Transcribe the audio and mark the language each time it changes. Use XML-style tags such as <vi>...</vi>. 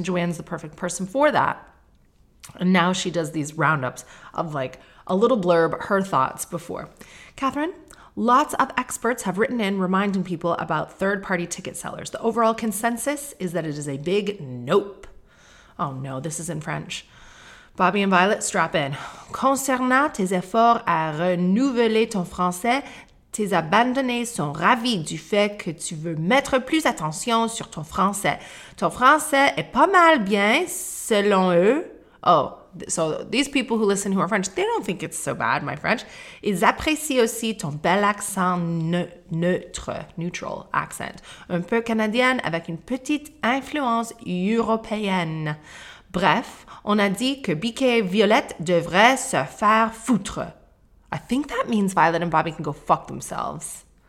<en>And Joanne's the perfect person for that. And now she does these roundups of like a little blurb, her thoughts before. Catherine, lots of experts have written in reminding people about third-party ticket sellers. The overall consensus is that it is a big nope. Oh no, this is in French. Bobby and Violet, strap in.</en> <fr>Concernant tes efforts à renouveler ton français, tes abandonnés sont ravis du fait que tu veux mettre plus attention sur ton français. Ton français est pas mal bien, selon eux.</fr> <en>Oh, so these people who listen who are French, they don't think it's so bad, my French.</en> <fr>Ils apprécient aussi ton bel accent</fr> <en>neutral accent.</en> <fr>Un peu canadien avec une petite influence européenne. Bref, on a dit que BK et Violette devraient se faire foutre.</fr> <en>I think that means Violet and Bobby can go fuck themselves.</en>